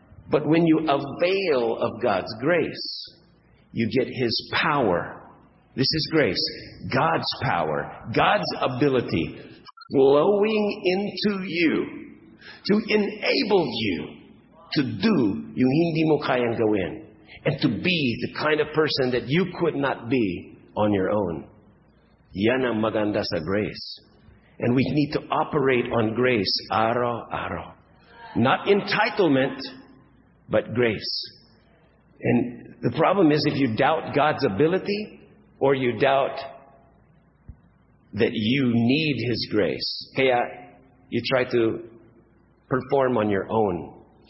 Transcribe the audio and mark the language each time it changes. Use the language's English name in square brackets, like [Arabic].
[English] But when you avail of God's grace, you get His power. This is grace. God's power. God's ability. glowing into you to enable you to do [Filipino] yung hindi mo kayang gawin [English] and to be the kind of person that you could not be on your own. [Filipino] Yan ang maganda sa grace. [English] And we need to operate on grace araw-araw. Not entitlement, but grace. And the problem is if you doubt God's ability or you doubt that you need His grace. Kaya, you try to perform on your own.